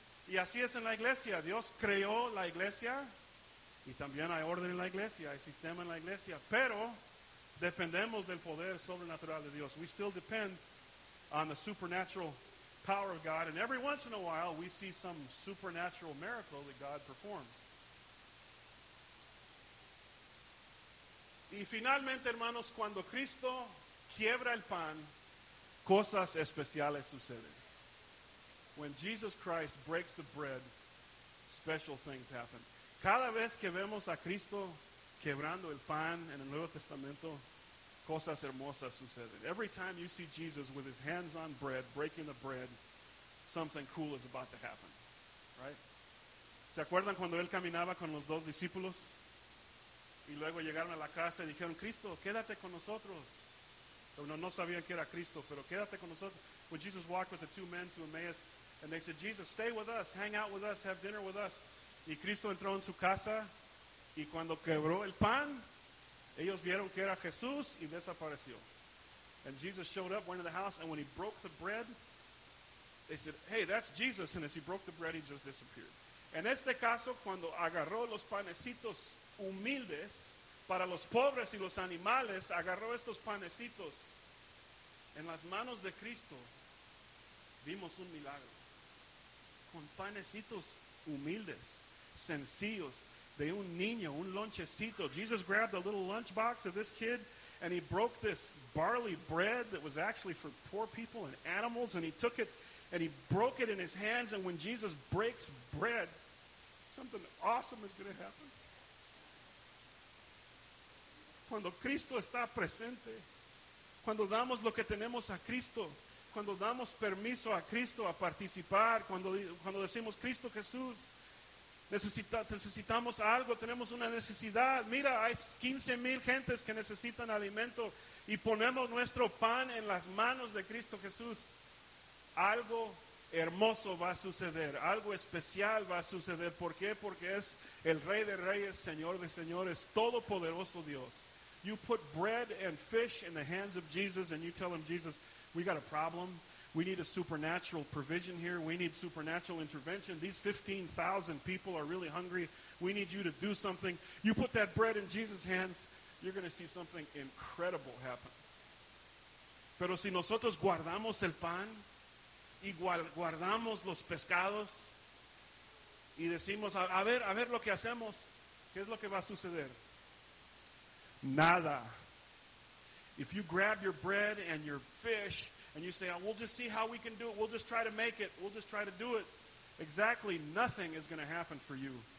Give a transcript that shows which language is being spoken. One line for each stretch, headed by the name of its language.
Spanish: Y así es en la iglesia. Dios creó la iglesia. Y también hay orden en la iglesia. Hay sistema en la iglesia. Pero dependemos del poder sobrenatural de Dios.
English: We still depend on the supernatural power of God. And every once in a while, we see some supernatural miracle that God performs.
Spanish: Y finalmente, hermanos, cuando Cristo quiebra el pan, cosas especiales suceden.
English: When Jesus Christ breaks the bread, special things happen.
Spanish: Cada vez que vemos a Cristo quebrando el pan en el Nuevo Testamento, cosas hermosas suceden.
English: Every time you see Jesus with his hands on bread, breaking the bread, something cool is about to happen. Right?
Spanish: ¿Se acuerdan cuando él caminaba con los dos discípulos? Y luego llegaron a la casa y dijeron, Cristo, quédate con nosotros. Bueno, no sabían que era Cristo, pero quédate con nosotros.
English: When Jesus walked with the two men to Emmaus, and they said, Jesus, stay with us, hang out with us, have dinner with us.
Spanish: Y Cristo entró en su casa, y cuando quebró el pan, ellos vieron que era Jesús, y desapareció.
English: And Jesus showed up, went to the house, and when he broke the bread, they said, hey, that's Jesus. And as he broke the bread, he just disappeared.
Spanish: En este caso, cuando agarró los panecitos humildes para los pobres y los animales, agarró estos panecitos en las manos de Cristo, vimos un milagro. Con panecitos humildes, sencillos, de un niño, un lonchecito.
English: Jesus grabbed a little lunchbox of this kid and he broke this barley bread that was actually for poor people and animals, and he took it and he broke it in his hands. And when Jesus breaks bread, something awesome is going to happen.
Spanish: Cuando Cristo está presente, cuando damos lo que tenemos a Cristo, cuando damos permiso a Cristo a participar, cuando decimos, Cristo Jesús, necesitamos algo, tenemos una necesidad. Mira, hay 15 mil gentes que necesitan alimento y ponemos nuestro pan en las manos de Cristo Jesús. Algo hermoso va a suceder, algo especial va a suceder. ¿Por qué? Porque es el Rey de Reyes, Señor de Señores, Todopoderoso Dios.
English: You put bread and fish in the hands of Jesus and you tell him, Jesus, we got a problem. We need a supernatural provision here. We need supernatural intervention. These 15,000 people are really hungry. We need you to do something. You put that bread in Jesus' hands, you're going to see something incredible happen.
Spanish: Pero si nosotros guardamos el pan y guardamos los pescados y decimos, a ver lo que hacemos, ¿qué es lo que va a suceder? Nada.
English: If you grab your bread and your fish and you say, oh, we'll just see how we can do it. We'll just try to make it. We'll just try to do it. Exactly nothing is going to happen for you.